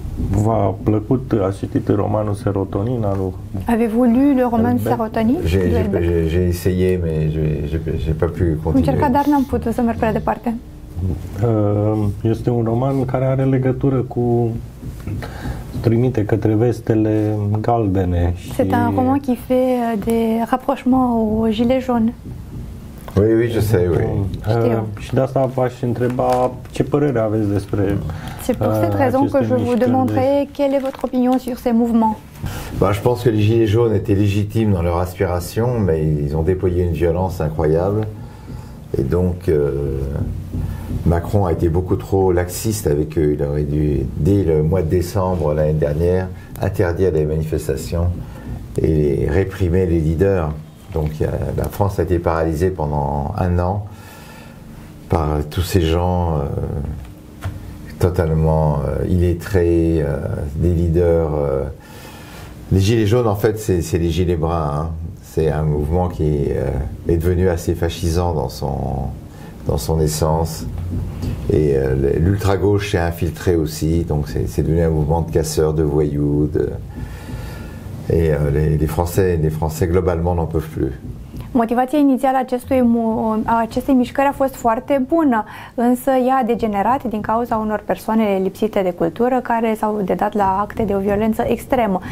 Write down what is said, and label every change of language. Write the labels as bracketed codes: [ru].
[ro] V-a plăcut, a citit romanul Serotonin al lui? [fr] Avez-vous lu le roman Serotonin? J'ai essayé, mais j'ai pas pu continuer. [ro] Încercat, dar n-am putut să merg prea departe. Este un roman care are legătură cu trimite către vestele galbene. [fr] C'est un roman qui fait des rapprochements au gilet jaune. Oui, je sais, oui. [ro] Și de asta v-aș întreba ce părere aveți despre [fr] C'est pour cette raison que je vous demanderai quelle est votre opinion sur ces mouvements. Bah, je pense que les gilets jaunes étaient légitimes dans leur aspiration, mais ils ont déployé une violence incroyable. Et donc, Macron a été beaucoup trop laxiste avec eux. Il aurait dû, dès le mois de décembre l'année dernière, interdire les manifestations et réprimer les leaders. Donc la France a été paralysée pendant un an par tous ces gens totalement illettrés, des leaders. Les Gilets jaunes, en fait, c'est les Gilets bruns. Hein. C'est un mouvement qui est devenu assez fascisant dans son essence. Et l'ultra-gauche s'est infiltrée aussi. Donc c'est devenu un mouvement de casseurs, de voyous. Et les Français globalement n'en peuvent plus. [ro] Motivația inițială acestei mișcări a fost foarte bună, însă ea a degenerat din cauza unor persoane lipsite de cultură care s-au dedat la acte de o violență extremă.